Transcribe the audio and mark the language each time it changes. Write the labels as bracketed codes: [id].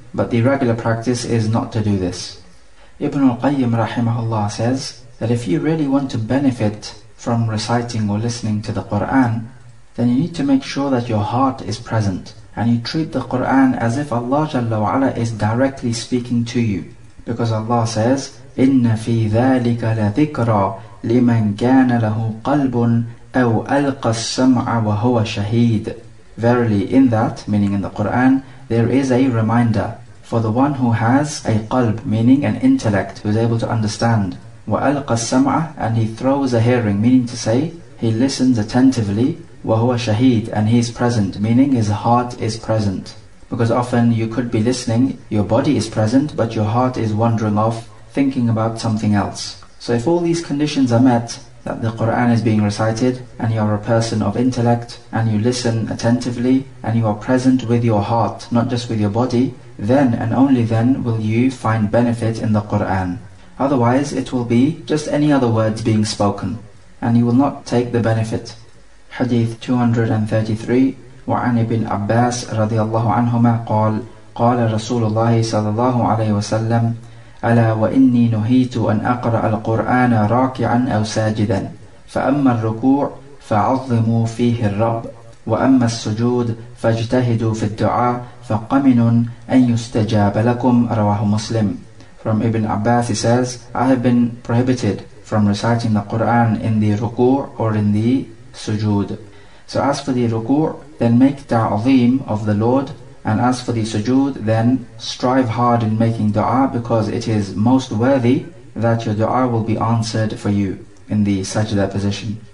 [en] But the regular practice is not to do this. Ibn al-Qayyim rahimahullah says that if you really want to benefit from reciting or listening to the Qur'an, then you need to make sure that your heart is present and you treat the Qur'an as if Allah Jalla wa Ala is directly speaking to you. Because Allah says, [ar] إِنَّ فِي ذَٰلِكَ لَذِكْرَى لِمَنْ كَانَ لَهُ قَلْبٌ أَوْ أَلْقَى السَّمْعَ وَهُوَ شَهِيدٌ. [en] Verily in that, meaning in the Qur'an, there is a reminder for the one who has a qalb, meaning an intellect, who is able to understand. [ar] وَأَلْقَى السَّمْعَ, [en] and he throws a hearing, meaning to say, he listens attentively. [ar] وَهُوَ شَهِيد, [en] and he is present, meaning his heart is present. Because often you could be listening, your body is present, but your heart is wandering off, thinking about something else. So if all these conditions are met, that the Qur'an is being recited, and you are a person of intellect, and you listen attentively, and you are present with your heart, not just with your body, then and only then will you find benefit in the Qur'an. Otherwise, it will be just any other words being spoken, and you will not take the benefit. Hadith 233. [ar] وعن ابن عباس رضي الله عنهما قال قال رسول الله صلى الله عليه وسلم ألا وإني نهيت أن أقرأ القرآن راكعا أو ساجدا فأما الركوع فعظموا فيه الرب وأما السجود فاجتهدوا في الدعاء فقمن أن يستجاب لكم رواه مسلم. [en] From Ibn Abbas he says, I have been prohibited from reciting the Qur'an in the ruku' or in the sujood. So as for the ruku', then make ta'zeem of the Lord, and as for the sujood, then strive hard in making dua, because it is most worthy that your dua will be answered for you in the sajda position.